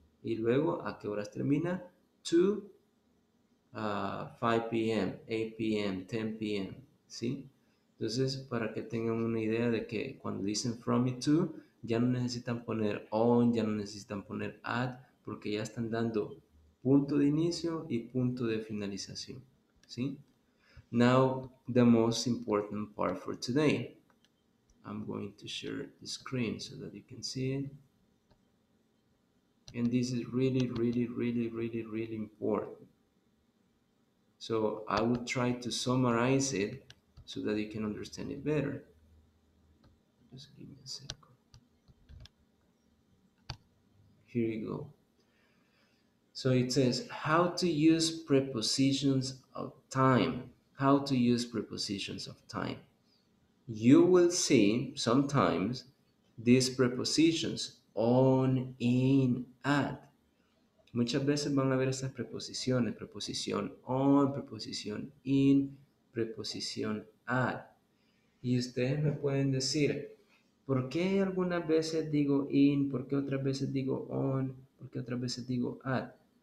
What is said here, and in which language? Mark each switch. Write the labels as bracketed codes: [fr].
[es] Y luego, ¿a qué horas termina? [en] To 5 p.m., 8 p.m., 10 p.m., [es] ¿sí? Entonces, para que tengan una idea de que cuando dicen from y to, ya no necesitan poner on, ya no necesitan poner at, porque ya están dando punto de inicio y punto de finalización, ¿sí? [en] Now, the most important part for today. I'm going to share the screen so that you can see it. And this is really, really, really, really, really important. So I will try to summarize it so that you can understand it better. Just give me a second. Here you go. So it says how to use prepositions of time. How to use prepositions of time. You will see sometimes these prepositions on, in, at. [es] Muchas veces van a ver estas preposiciones, preposición on, preposición in, preposición at. Y ustedes me pueden decir, ¿por qué algunas veces digo in? ¿Por qué otras veces digo on? ¿Por qué otras veces digo at?